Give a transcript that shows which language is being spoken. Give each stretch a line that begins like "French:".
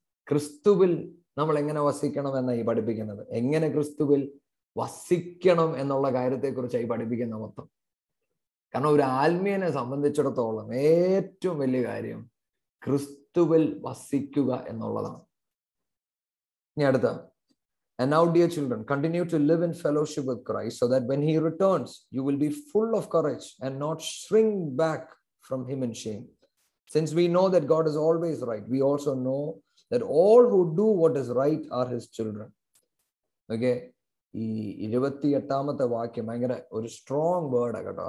Malayalam: ക്രിസ്തുവിൽ നമ്മൾ എങ്ങനെ വസിക്കണം എന്നാ ഈ പഠിപ്പിക്കുന്നത്. എങ്ങനെ ക്രിസ്തുവിൽ വസിക്കണം എന്നുള്ള കാര്യത്തെ കുറിച്ച് ഈ പഠിപ്പിക്കുന്ന മൊത്തം. കാരണം ഒരു ആത്മീയനെ സംബന്ധിച്ചിടത്തോളം ഏറ്റവും വലിയ കാര്യം ക്രിസ്തുവിൽ വസിക്കുക എന്നുള്ളതാണ്. ഇനി അടുത്ത,
English: And now, dear children, continue to live in fellowship with Christ so that when he returns, you will be full of courage and not shrink back from him in shame. Since we know that God is always right, we also know that all who do what is right are his children. Okay?
Malayalam: ഈ 28-ാമത്തെ വാക്യം ഭയങ്കര ഒരു strong word കേട്ടോ.